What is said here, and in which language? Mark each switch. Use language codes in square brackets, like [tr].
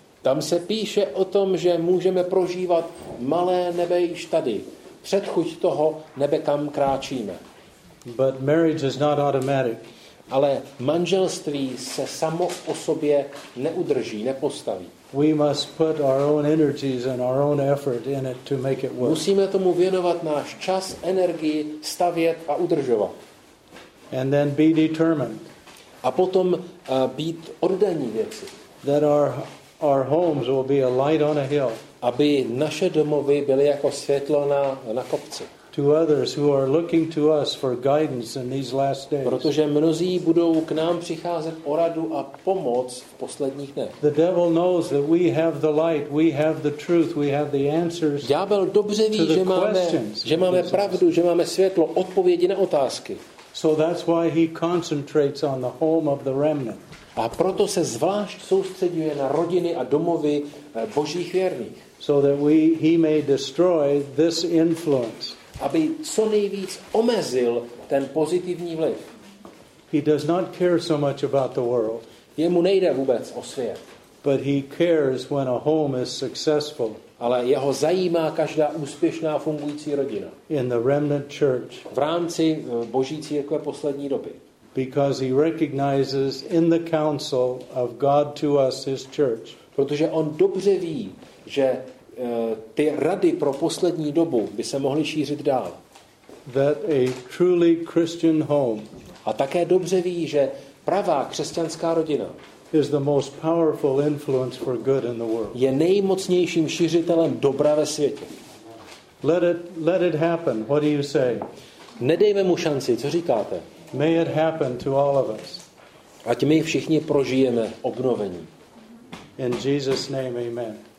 [cs] Tam se píše o tom, že můžeme prožívat malé nebe již tady. Předchuť toho nebe, kam kráčíme. [en] But marriage is not automatic. [cs] Ale manželství se samo o sobě neudrží, nepostaví. [en] We must put our own energies and our own effort in it to make it work. [cs] Musíme tomu věnovat náš čas, energii, stavět a udržovat. [en] And then be determined. [cs] A potom být oddaní věci. [en] That our homes will be a light on a hill. [cs] Aby naše domovy byly jako světlo na kopci. [en] To others who are looking to us for guidance in these last days. [cs] Protože mnozí budou k nám přicházet o radu a pomoc v posledních dnech. [en] The devil knows that we have the light, we have the truth, we have the answers. [cs] Ďábel dobře ví, že máme pravdu, že máme světlo, odpovědi na otázky. [en] So that's why he concentrates on the home of the remnant. [cs] A proto se zvlášť soustředuje na rodiny a domovy Božích věrných. [en] so that he may destroy this influence. [cs] Aby co nejvíc omezil ten pozitivní vliv. [en] He does not care so much about the world. [cs] Jemu nejde vůbec o svět. [en] But he cares when a home is successful. [cs] Ale jeho zajímá každá úspěšná fungující rodina. [en] In the remnant church. [cs] V rámci Boží církve poslední doby. [en] Because he recognizes in the counsel of God to us his church. [cs] Protože on dobře ví, že ty rady pro poslední dobu by se mohly šířit dál. [en] That a truly Christian home. [cs] A také dobře ví, že pravá křesťanská rodina [en] is the most powerful influence for good in the world. [cs] Je nejmocnějším šířitelem dobra ve světě. [en] Let it happen. What do you say? [cs] Nedejme mu šanci, co říkáte? [en] May it happen to all of us. [cs] Ať my všichni prožijeme obnovení. [en] In Jesus' name, amen.